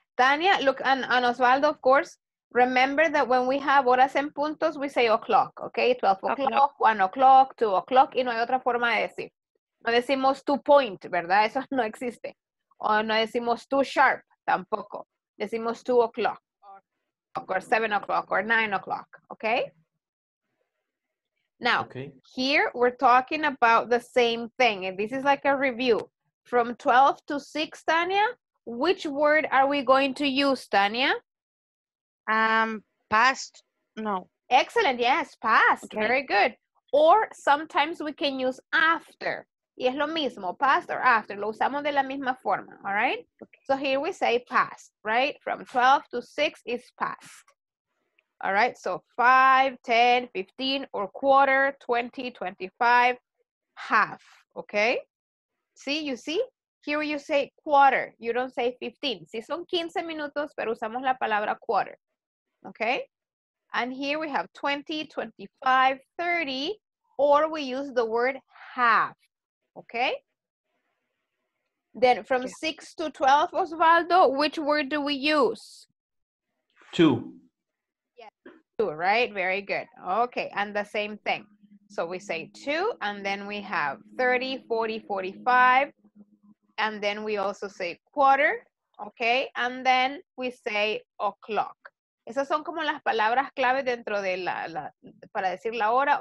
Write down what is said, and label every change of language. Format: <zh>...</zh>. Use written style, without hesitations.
<en>Tania, look, and Osvaldo, of course, remember that when we have</en> <es>horas en puntos,</es> <en>we say o'clock, okay? 12 o'clock, 1 o'clock, 2 o'clock,</en> <es>y no hay otra forma de decir. No decimos to point, ¿verdad? Eso no existe. O no decimos too sharp, tampoco.</es> <en>Decimos 2 o'clock, or 7 o'clock, or 9 o'clock, okay? Now, here we're talking about the same thing, and this is like a review. From 12 to 6, Tania, which word are we going to use, Tania? Past, no. Excellent, yes, past, okay. Very good. Or sometimes we can use after.</en> <es>Y es lo mismo, past or after. Lo usamos de la misma forma, all right?</es> <en>Okay. So here we say past, right? From 12 to 6 is past. All right, so 5, 10, 15, or quarter, 20, 25, half, okay? See, you see? Here you say quarter. You don't say 15.</en> <es>Sí, son 15 minutos, pero usamos la palabra quarter.</es> <en>Okay? And here we have 20, 25, 30, or we use the word half. Okay? Then from 6 to 12, Osvaldo, which word do we use? Two. Yes, two, right? Very good. Okay, and the same thing. So we say two, and then we have 30, 40, 45, and then we also say quarter, okay? And then we say o'clock.</en> <es>Esas son como las palabras clave dentro de para decir la hora.</es>